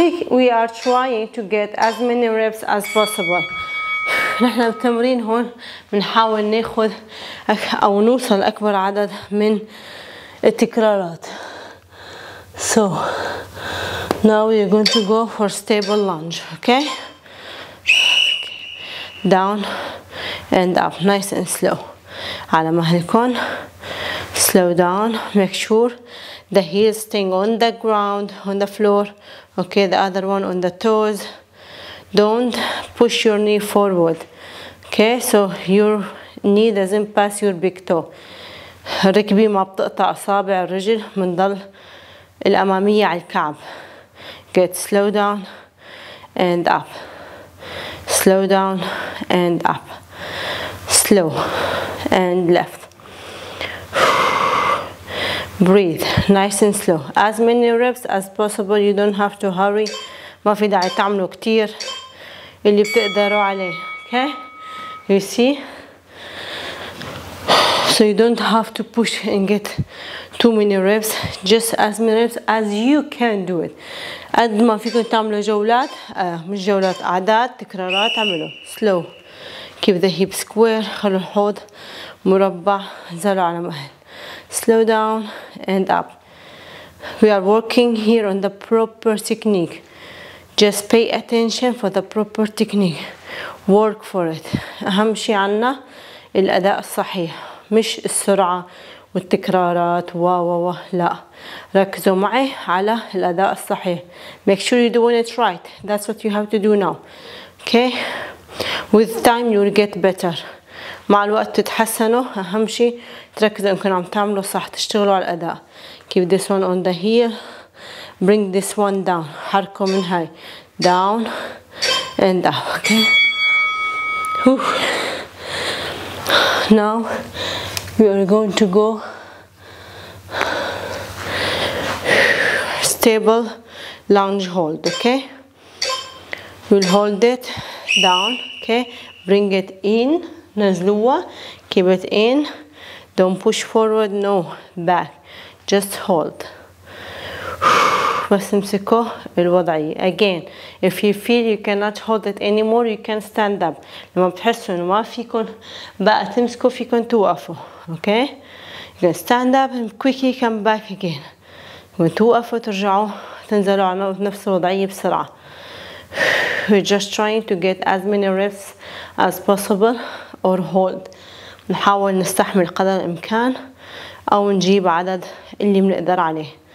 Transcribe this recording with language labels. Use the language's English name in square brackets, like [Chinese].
[English] We are trying to get as many reps as possible. [Arabic] نحن بتمرين هون بنحاول ناخذ او نوصل اكبر عدد من التكرارات. [English] So now you're going to go for stable lunge, okay? Down and up, nice and slow. [Arabic] على مهلكون. [English] Slow down, make sure the heels staying on the ground, on the floor. Okay, the other one on the toes. Don't push your knee forward. Okay, so your knee doesn't pass your big toe. [Arabic] ركبي ما بتقطع أصابع الرجل, منضل الأمامية على الكعب. [English] Get slow down and up. Slow down and up. Slow and left. Breathe nice and slow. As many reps as possible. You don't have to hurry. [Arabic] ما في داعي تعملوا كتير اللي بتقدروا عليه. [English] Okay? You see? So you don't have to push and get too many reps. Just as many reps as you can do it. [Arabic] قد ما فيكم تعملوا جولات, مش جولات, عدات, تكرارات, اعملوا. [English] Slow. Keep the hip square. [Arabic] خلوا الحوض مربع. زلوا على مهل. [English] Slow down and up. We are working here on the proper technique. Just pay attention for the proper technique. Work for it. [Arabic] أهم شيء عنا الأداء الصحيح, مش السرعة والتكرارات و و و لا. ركزوا معي على الأداء الصحيح. [English] Make sure you're doing it right. That's what you have to do now. Okay? With time you'll get better. [Arabic] مع الوقت تتحسنوا. أهم شيء تركزوا أنكم عم تعملوا صح, تشتغلوا على الأداء. [English] Keep this one on the heel. Bring this one down. [Arabic] حركوا من هاي. [English] Down and up. Okay. Now we are going to go stable lunge hold. Okay. We'll hold it down. Okay. Bring it in. [Arabic] نزلوها. [English] Keep it in. Don't push forward. No. Back. Just hold. [Arabic] بس امسكوه الوضعي. [English] Again, if you feel you cannot hold it anymore, you can stand up. [Arabic] لما بتحسوا انه ما فيكن بقى تمسكوا فيكن توقفوا. Okay? [English] You can stand up and quickly come back again. [Arabic] وتوقفوا ترجعوا تنزلوا على نفس الوضعية بسرعة. [English] We're just trying to get as many reps as possible or hold. [Arabic] نحاول نستحمل قدر الإمكان أو نجيب عدد اللي بنقدر عليه.